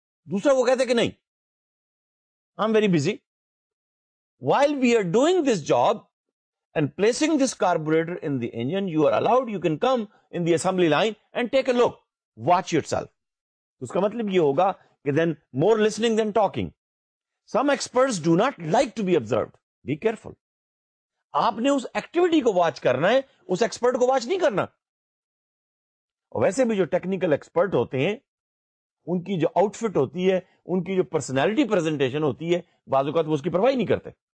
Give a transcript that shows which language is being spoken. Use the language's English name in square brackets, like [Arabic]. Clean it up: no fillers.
[Urdu] دوسرا وہ کہتے ہیں کہ نہیں [English] I am very busy, while we are doing this job and placing this carburetor in the engine, you are allowed, you can come in the assembly line and take a look, watch yourself. [Urdu] اس کا مطلب یہ ہوگا کہ [English] then more listening than talking. Some experts do not like to be observed. Be careful. [Urdu] آپ نے اس activity کو watch کرنا ہے, اس expert کو watch نہیں کرنا. اور ویسے بھی جو technical expert ہوتے ہیں ان کی جو outfit ہوتی ہے, ان کی جو personality presentation ہوتی ہے, بعض اوقات وہ اس کی پرواہ نہیں کرتے.